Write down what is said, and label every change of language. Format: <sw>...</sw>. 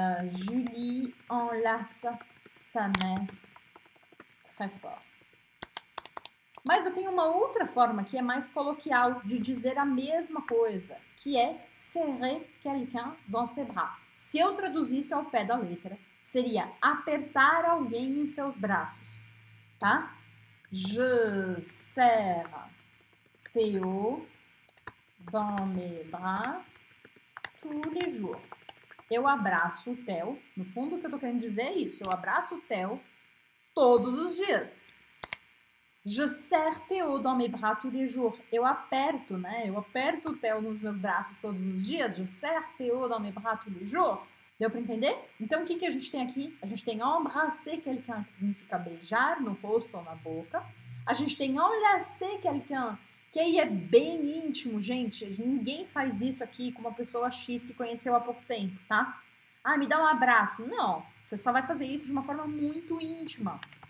<fr>Julie enlaça sa mère très fort.</fr> <pt>Mas eu tenho uma outra forma que é mais coloquial de dizer a mesma coisa, que é serrer quelqu'un dans ses bras. Se eu traduzisse ao pé da letra, seria apertar alguém em seus braços, tá?</pt> <fr>Je serre Théo dans mes bras tous les jours.</fr> <pt>Eu abraço o Théo, no fundo o que eu tô querendo dizer é isso, eu abraço o Théo todos os dias.</pt> <fr>Je serre Théo dans mes bras tous les jours.</fr> <pt>Eu aperto, né? Eu aperto o Théo nos meus braços todos os dias.</pt> <fr>Je serre Théo dans mes bras tous les jours.</fr> <pt>Deu para entender? Então, o que que a gente tem aqui? A gente tem embrasser quelqu'un, que significa beijar no rosto ou na boca. A gente tem enlacer quelqu'un, que aí é bem íntimo, gente. Ninguém faz isso aqui com uma pessoa X que conheceu há pouco tempo, tá? Ah, me dá um abraço. Não, você só vai fazer isso de uma forma muito íntima.</pt>